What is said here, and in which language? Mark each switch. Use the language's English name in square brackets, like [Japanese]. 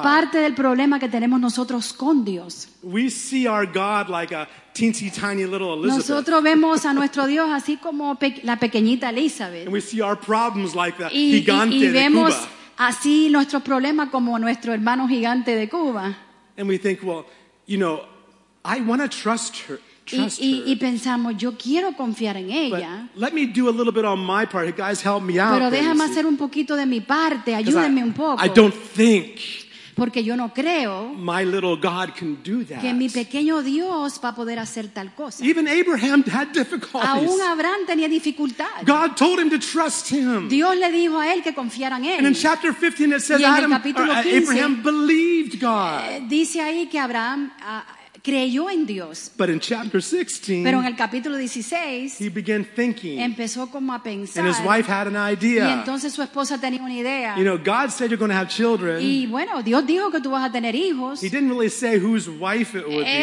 [Spanish] Esa parte del problema que tenemos nosotros con Dios. [English] We see our God like a teensy tiny little Elizabeth. [Spanish] Nosotros vemos a nuestro Dios así como la pequeñita Elizabeth. [English] And we see our problems like the gigante [Spanish] y vemos de Cuba. Así nuestro problema como nuestro hermano gigante de Cuba. [English] And we think, well, you know, I want to trust her. [Spanish] Y pensamos, yo quiero confiar en ella. [English] But let me do a little bit on my part. Guys, help me out. [Spanish] Pero déjame [English] please. [Spanish] Hacer un poquito de mi parte. Ayúdenme un poco. [English] I don't think. [Spanish] Porque yo no creo [English] my little God can do that. [Spanish] Que mi pequeño Dios va a poder hacer tal cosa. [English] Even Abraham had difficulties. [Spanish] Aún Abraham tenía dificultad. [English] God told him to trust him. [Spanish] Dios le dijo a él que confiara en él. [English] And in chapter 15 it says Adam, 15, Abraham believed God. [Spanish] Dice ahí que Abraham creyó en Dios. [English] But in chapter 16, [Spanish] pero en el capítulo 16, [English] he began thinking. [Spanish] Empezó como a pensar. [English] And his wife had an idea. [Spanish] Y entonces su esposa tenía una idea. [English] You know, God said you're going to have children. [Spanish] Y bueno, Dios dijo que tú vas a tener hijos. [English] He didn't really say whose wife it would be.